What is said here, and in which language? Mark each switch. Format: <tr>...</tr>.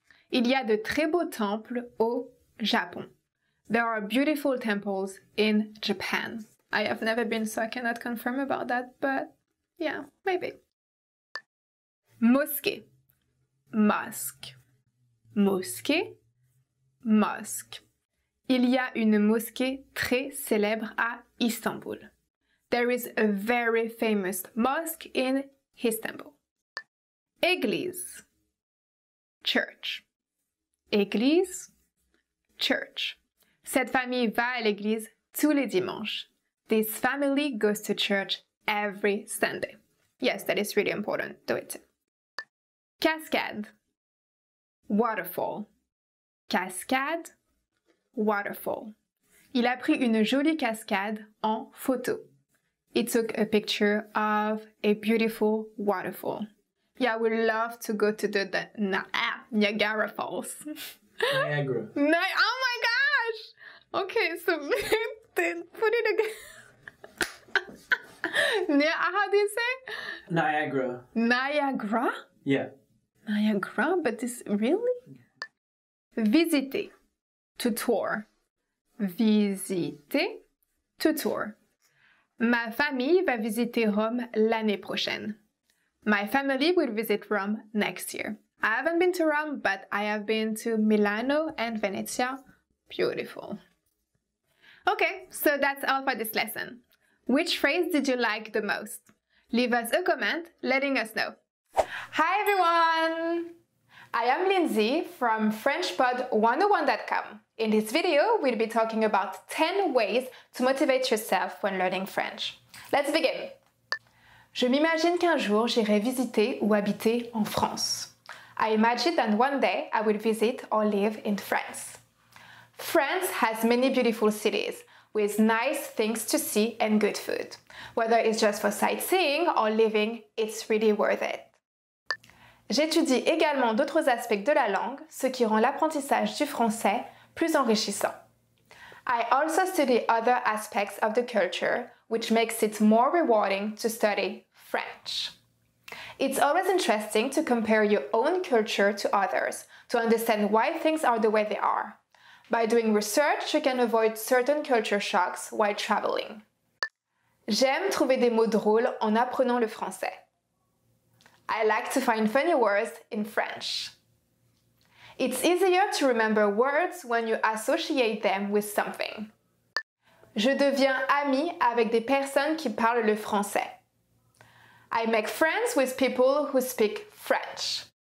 <fr>Il y a de très beaux temples au Japon.</fr> <en>There are beautiful temples in Japan. I have never been, so I cannot confirm about that, but yeah, maybe.</en> <fr>Mosquée. Mosque. Mosquée. Mosque. Il y a une mosquée très célèbre à Istanbul.</fr> <en>There is a very famous mosque in Istanbul.</en> <fr>Église. Church. Église. Church. Cette famille va à l'église tous les dimanches.</fr> <en>This family goes to church every Sunday. Yes, that is really important. Do it too. Cascade. Waterfall. Cascade. Waterfall.</en> <fr>Il a pris une jolie cascade en photo.</fr> <en>He took a picture of a beautiful waterfall. Yeah, I would love to go to Niagara Falls. Niagara. Oh my gosh! Okay, so put it again. How do you say? Niagara. Niagara? Yeah. Niagara, but this really? Visiter. To tour.</en> <fr>Visiter. To tour. Ma famille va visiter Rome l'année prochaine.</fr> <en>My family will visit Rome next year. I haven't been to Rome, but I have been to Milano and Venezia. Beautiful. Okay, so that's all for this lesson. Which phrase did you like the most? Leave us a comment letting us know. Hi everyone! I am Lindsay from FrenchPod101.com. In this video, we'll be talking about 10 ways to motivate yourself when learning French. Let's begin!</en> <fr>Je m'imagine qu'un jour j'irai visiter ou habiter en France.</fr> <en>I imagine that one day I will visit or live in France. France has many beautiful cities with nice things to see and good food. Whether it's just for sightseeing or living, it's really worth it.</en> <fr>J'étudie également d'autres aspects de la langue, ce qui rend l'apprentissage du français plus enrichissant.</fr> <en>I also study other aspects of the culture, which makes it more rewarding to study French. It's always interesting to compare your own culture to others, to understand why things are the way they are. By doing research, you can avoid certain culture shocks while traveling.</en> <fr>J'aime trouver des mots drôles en apprenant le français.</fr> <en>I like to find funny words in French. It's easier to remember words when you associate them with something.</en> <fr>Je deviens ami avec des personnes qui parlent le français.</fr> <en>I make friends with people who speak French.</en>